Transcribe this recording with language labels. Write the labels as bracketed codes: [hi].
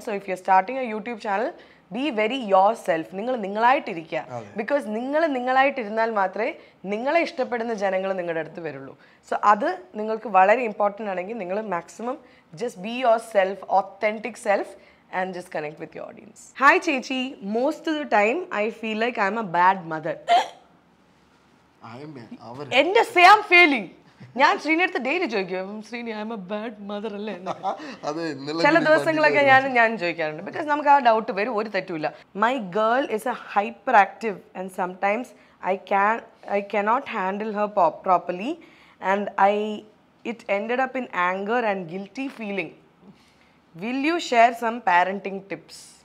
[en] So if you are starting a YouTube channel, be very your self. [ml] നിങ്ങൾ നിങ്ങളായിട്ടിരിക്കുക. Because നിങ്ങൾ നിങ്ങളായിട്ടിരുന്നാൽ മാത്രമേ നിങ്ങളെ ഇഷ്ടപ്പെടുന്ന ജനങ്ങൾ നിങ്ങളുടെ അടുത്ത് വരുള്ളൂ. സോ അത് നിങ്ങൾക്ക് വളരെ ഇമ്പോർട്ടൻ്റ് ആണെങ്കിൽ നിങ്ങൾ maximum [en] Just be your self, authentic self, and just connect with your audience. Hi Chechi, most of the time I feel like I'm a bad mother. I'm the same feeling. [ml] ഞാൻ ശ്രീനി അടുത്ത് daily ചോദിക്കും, Sreeni [en] I am a bad mother [ml] അല്ലേ? ചില ദിവസങ്ങളൊക്കെ ഞാൻ ചോദിക്കാറുണ്ട്, because നമുക്ക് ആ ഡൗട്ട് വരും, ഒരു തെറ്റുമില്ല. [en] My girl is a hyper active and sometimes I cannot handle her properly and it ended up in anger and guilty feeling. Will you share some parenting tips?